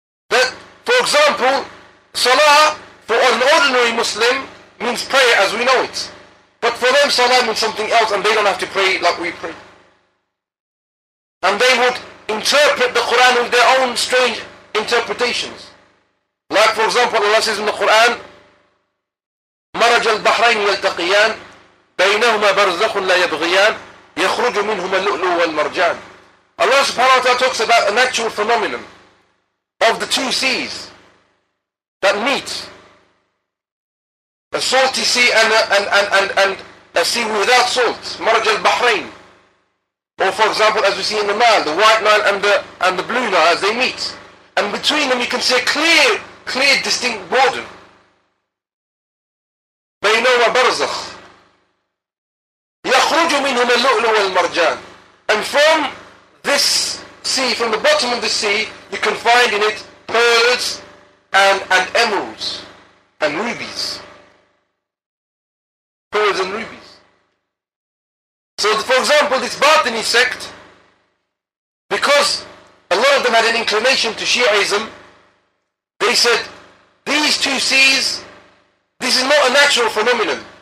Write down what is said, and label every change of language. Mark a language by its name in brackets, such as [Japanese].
[English] That, for example, Salah for an ordinary Muslim means prayer as we know it. But for them, Salah means something else and they don't have to pray like we pray. And they would interpret the Quran with their own strange interpretations. Like, for example, Allah says in the Quran, [Arabic] مَرَجَ الْبَحْرَيْنِ يَلْتَقِيَانِ بَيْنَهُمَا بَرْزَخٌ لَا يَبْغِيَانِ يَخْرُجُ مِنْهُمَا اللُّؤْلُؤُ وَالْمَرْجَانِ. [English] Allah subhanahu wa ta'ala talks about a natural phenomenon of the two seas that meet. A salty sea and a sea without salt, [Arabic] مرج البحرين. [English] Or for example, as we see in the Nile, the white Nile and the blue Nile as they meet. And between them you can see a clear distinct border. [Arabic] بينهما برزخ. يخرج منهما اللؤلؤ والمرجان. [English] And from this sea, from the bottom of the sea, you can find in it pearls and emeralds and rubies. Pearls and rubies. So for example, this Batini sect, because a lot of them had an inclination to Shiaism, they said, these two seas, this is not a natural phenomenon.